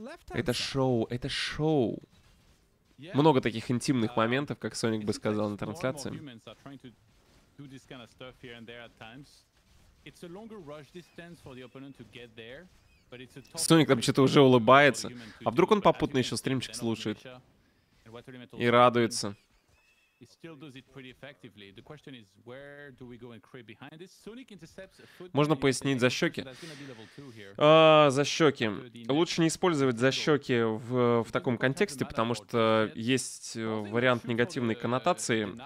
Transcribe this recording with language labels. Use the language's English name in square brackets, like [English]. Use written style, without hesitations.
[Russian] это шоу. Много таких интимных моментов, как Соник бы сказал на трансляции. [English] Do this kind of stuff here and there at times. It's a longer rush distance for the opponent to get there, but it's a tough. [Russian] Соник там что-то уже улыбается. А вдруг он попутно еще стримчик слушает и радуется. [English] It still does it pretty effectively. The question is, where do we go and creep behind this? Sonic intercepts a foot. [Russian] Можно пояснить за щеки? За щеки. Лучше не использовать за щеки в таком контексте, потому что есть вариант негативной коннотации.